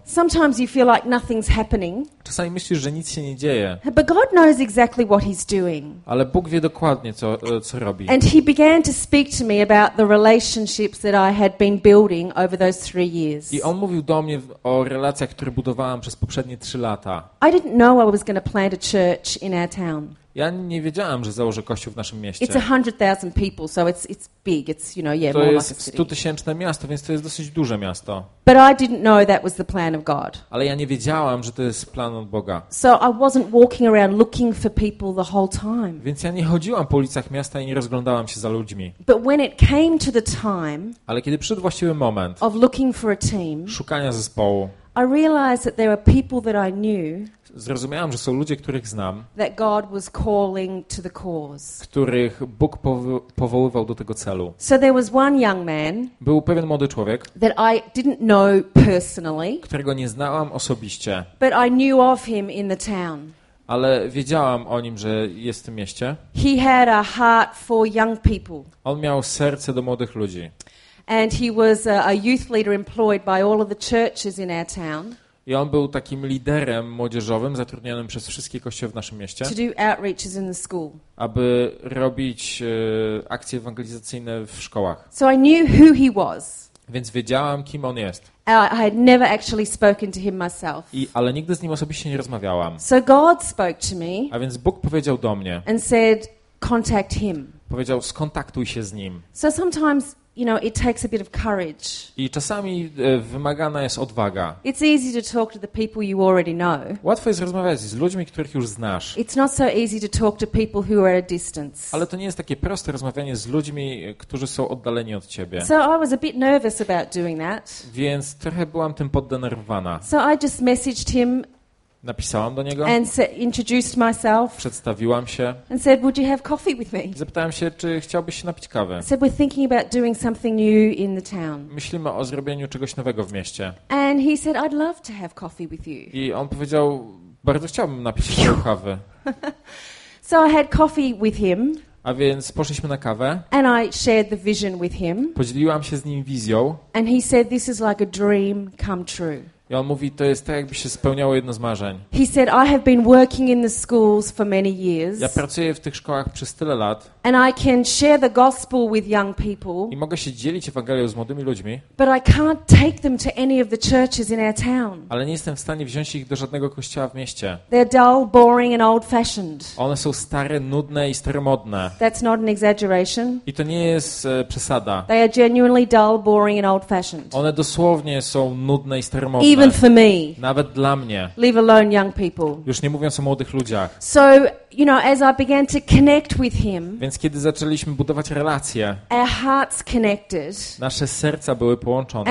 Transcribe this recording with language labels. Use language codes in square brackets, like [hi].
[en] Sometimes you feel like nothing's happening. [pl] Czasami myślisz, że nic się nie dzieje. [en] But God knows exactly what he's doing. [pl] Ale Bóg wie dokładnie, co robi. [en] And he began to speak to me about the relationships that I had been building over those 3 years. [pl] I on mówił do mnie o relacjach, które budowałam przez poprzednie 3 lata. [en] I didn't know I was going to plant a church in our town. [pl] Ja nie wiedziałam, że założę kościół w naszym mieście. [en] It's 100,000 people, so it's big. It's, you know, yeah, more like a city. [pl] To jest 100,000 miasto, więc to jest dosyć duże miasto. [en] But I didn't know that was the plan of God. [pl] Ale ja nie wiedziałam, że to jest plan od Boga. [en] So I wasn't walking around looking for people the whole time. [pl] Więc ja nie chodziłam po ulicach miasta i nie rozglądałam się za ludźmi. [en] But when it came to the time, [pl] ale kiedy przyszedł właściwy moment, [en] of looking for a team, [pl] szukania zespołu, [en] I realized that there were people that I knew. [pl] Zrozumiałam, że są ludzie, których znam, [en] that God was calling to the cause. [pl] Których Bóg powoływał do tego celu. [en] So there was one young man, [pl] był pewien młody człowiek, [en] that I didn't know personally, [pl] którego nie znałam osobiście, [en] but I knew of him in the town. [pl] Ale wiedziałam o nim, że jest w tym mieście. [en] He had a heart for young people. [pl] On miał serce do młodych ludzi. [en] And he was a youth leader employed by all of the churches in our town. [pl] I on był takim liderem młodzieżowym zatrudnionym przez wszystkie kościoły w naszym mieście. [en] To do outreaches in the school. [pl] Aby robić akcje ewangelizacyjne w szkołach. [en] So I knew who he was. [pl] Więc wiedziałam, kim on jest. [en] I had never actually spoken to him myself. [pl] Ale nigdy z nim osobiście nie rozmawiałam. [en] So God spoke to me. [pl] A więc Bóg powiedział do mnie. [en] And said, contact him. [pl] Powiedział, skontaktuj się z nim. [en] So sometimes, you know, it takes a bit of courage. [pl] I czasami wymagana jest odwaga. [en] It's easy to talk to the people you already know. [pl] Łatwo jest rozmawiać z ludźmi, których już znasz. [en] It's not so easy to talk to people who are at a distance. [pl] Ale to nie jest takie proste rozmawianie z ludźmi, którzy są oddaleni od ciebie. [en] So I was a bit nervous about doing that. [pl] Więc trochę byłam tym poddenerwowana. [en] So I just messaged him. [pl] Napisałam do niego. [en] And introduced myself. [pl] Przedstawiłam się. [en] And said, would you have coffee with me? [pl] Zapytałam się, czy chciałbyś się napić kawę. [en] Said, we're thinking about doing something new in the town. [pl] Myślimy o zrobieniu czegoś nowego w mieście. [en] And he said, I'd love to have coffee with you. [pl] I on powiedział, bardzo chciałbym napić się kawę. [en] So I had coffee with him. [pl] A więc poszliśmy na kawę. [en] And I shared the vision with him. [pl] Podzieliłam się z nim wizją. [en] And he said, this is like a dream come true. [pl] I on mówi, to jest tak, jakby się spełniało jedno z marzeń. [en] He said, I have been working in the schools for many years. [pl] Ja pracuję w tych szkołach przez tyle lat. [en] And I can share the gospel with young people. [pl] I mogę się dzielić Ewangelią z młodymi ludźmi. [en] But I can't take them to any of the churches in our town. [pl] Ale nie jestem w stanie wziąć ich do żadnego kościoła w mieście. [en] They're dull, boring and old-fashioned. [pl] One są stare, nudne i staromodne. [en] That's not an exaggeration. [pl] I to nie jest przesada. [en] They are genuinely dull, boring and old-fashioned. [pl] One dosłownie są nudne i staromodne. [en] Even for me. [pl] Nawet dla mnie. [en] Leave alone young people. [pl] Już nie mówiąc o młodych ludziach. [en] So, you know, as I began to connect with him. [pl] Więc kiedy zaczęliśmy budować relacje. [en] Our hearts connected. [pl] Nasze serca były połączone.